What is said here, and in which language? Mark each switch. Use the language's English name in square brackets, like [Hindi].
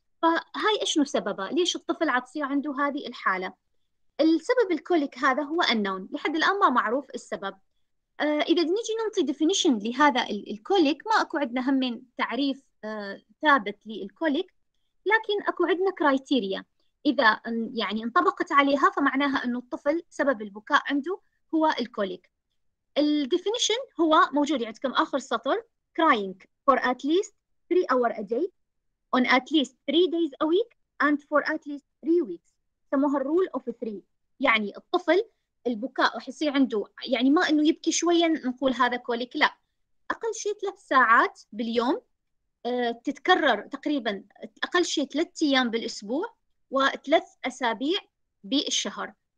[Arabic] فهاي اشنو سببها؟ ليش الطفل عاد تصير عنده هذه الحالة؟ السبب الكوليك هذا هو unknown، لحد الآن ما معروف السبب. إذا نيجي نعطي definition لهذا الكوليك، ما أكو عندنا همين تعريف ثابت للكوليك، لكن أكو عندنا كرايتيريا إذا يعني انطبقت عليها فمعناها أنه الطفل سبب البكاء عنده هو الكوليك. الديفينيشن هو موجود عندكم آخر سطر، [English] crying for at least 3 hours a day on at least 3 days a week and for at least 3 weeks. [Arabic] سموها الرول اوف 3، يعني الطفل البكاء راح يصير عنده يعني ما انه يبكي شويه نقول هذا كوليك، لا، اقل شيء 3 ساعات باليوم، تتكرر تقريبا اقل شيء 3 ايام بالاسبوع و3 اسابيع بالشهر.